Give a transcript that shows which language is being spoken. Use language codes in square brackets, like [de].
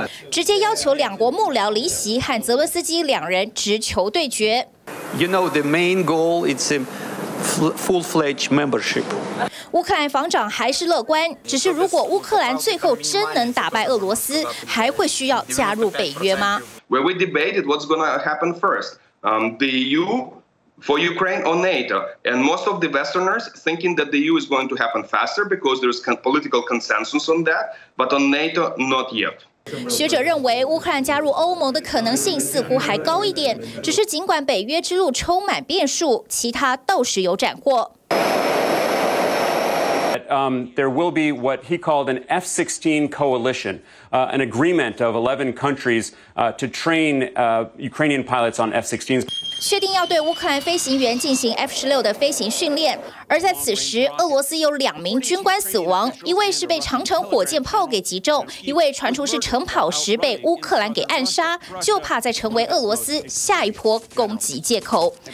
[zh] 直接要求两国幕僚离席，和泽连斯基两人直球对决。 [en] You know the main goal, it's a. Full-fledged membership. [zh] 乌克兰防长还是乐观，只是如果乌克兰最后真能打败俄罗斯，还会需要加入北约吗？ [en] Where we debated what's going to happen first, the EU for Ukraine or NATO, and most of the Westerners thinking that the EU is going to happen faster because there's political consensus on that, but on NATO not yet. [zh] 学者认为，乌克兰加入欧盟的可能性似乎还高一点。只是尽管北约之路充满变数，其他倒是有斩获。 [en] There will be what he called an F-16 coalition, an agreement of 11 countries to train Ukrainian pilots on F-16s. [zh] 确定要对乌克兰飞行员进行 F-16 的飞行训练。而在此时，俄罗斯有两名军官死亡，一位是被长城火箭炮给击中，一位传出是晨跑时被乌克兰给暗杀，就怕再成为俄罗斯下一波攻击借口。